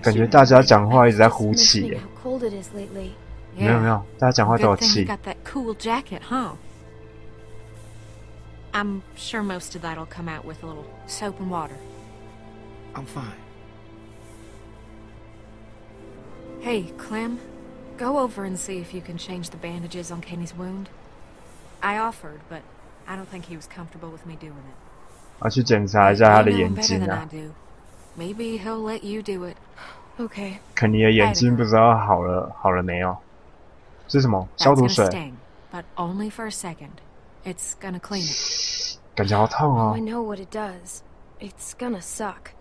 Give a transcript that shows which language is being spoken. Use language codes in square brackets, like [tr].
[zh] 感觉大家讲话一直在呼气。 [en] Yeah. [zh] 没有没有，大家讲话都有气。 [en] Good thing you got that cool jacket, huh? I'm sure most of that'll come out with a little soap and water. I'm fine. Hey, Clem, go over and see if you can change the bandages on Kenny's wound. I offered, but I don't think he was comfortable with me doing it. [zh] 我去检查一下他的眼睛啊。 [en] Maybe he'll let you do it. Okay. [zh] 肯尼的眼睛不知道好了好了没有？是什么？消毒水。 [en] But only for a second. It's gonna clean it. [zh] 感觉好痛啊。 [en] I know what it does. It's gonna suck.